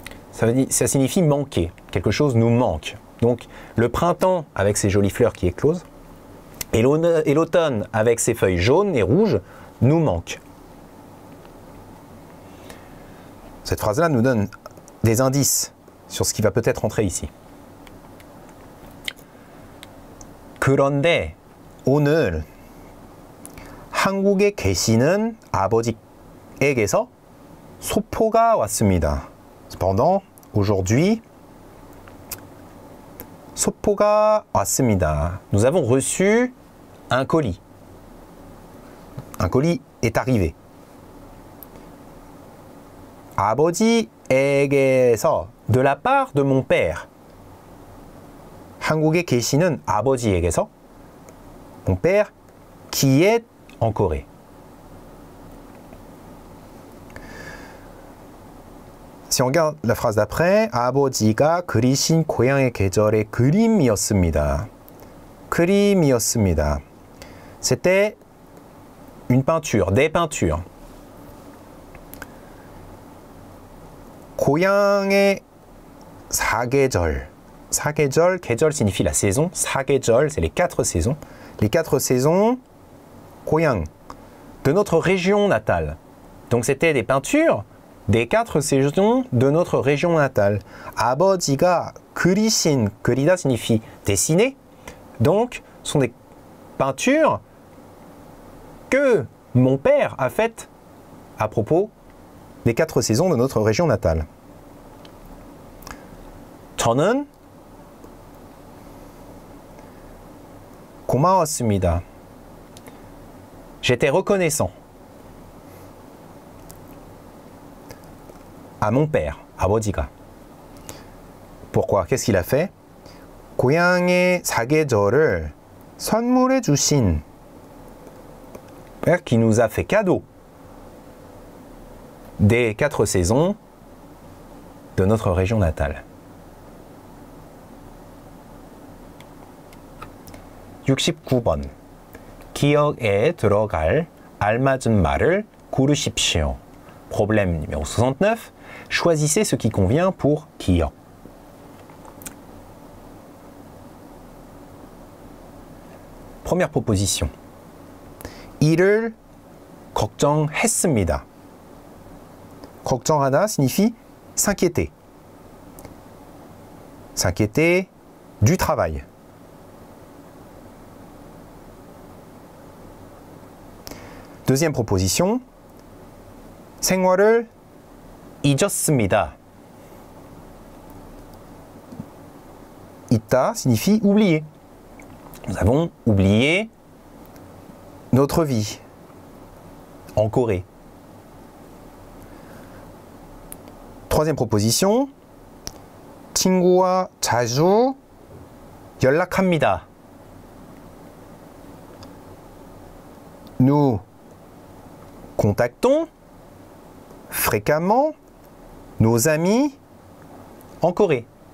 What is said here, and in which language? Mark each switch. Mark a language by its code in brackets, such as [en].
[fr] Ça signifie manquer, quelque chose nous manque. Donc le printemps avec ses jolies fleurs qui éclosent et l'automne avec ses feuilles jaunes et rouges nous manque. Cette phrase-là nous donne des indices sur ce qui va peut-être entrer ici. [ko] 그런데 오늘 한국에 계시는 아버지에게서 소포가 왔습니다. [fr] Cependant aujourd'hui, [ko] 소포가 왔습니다. [fr] Nous avons reçu un colis. Un colis est arrivé. [ko] 아버지에게서 [fr] de la part de mon père. [ko] 한국에 계시는 아버지에게서 [fr] mon père qui est en Corée. 자, on regarde la phrase d'après. [ko] 아버지가 그리신 고향의 계절의 그림이었습니다. 그림이었습니다. [fr] C'était une peinture, des peintures. [ko] 고향의 사계절. [fr] 사계절, 계절 signifie la saison. 사계절, c'est les quatre saisons. Les quatre saisons, 고향. De notre région natale. Donc c'était des peintures. Des quatre saisons de notre région natale. [ko] 아버지가 그리신, [fr] 그리다 signifie dessiner. Donc, ce sont des peintures que mon père a faites à propos des quatre saisons de notre région natale. [ko] 저는 고마웠습니다. [fr] J'étais reconnaissant. À mon père, [ko] 아버지가. [fr] Pourquoi? Qu'est-ce qu'il a fait? [ko] 고향의 사계절을 선물해 주신. [fr] Père qui nous a fait cadeau des quatre saisons de notre région natale. [ko] 69번. 기억에 들어갈 알맞은 말을 고르십시오. [fr] Problème numéro 69. Choisissez ce qui convient pour 기억. première proposition. [ko] 일을 걱정했습니다. [fr] 걱정하다 signifie s'inquiéter. S'inquiéter du travail. 2e proposition. [ko] 생활을 잊었습니다. [fr] 잊다 signifie oublier. Nous avons oublié notre vie en Corée. Troisième proposition. 친구와 자주 연락합니다. Nous contactons fréquemment nos amis en Corée.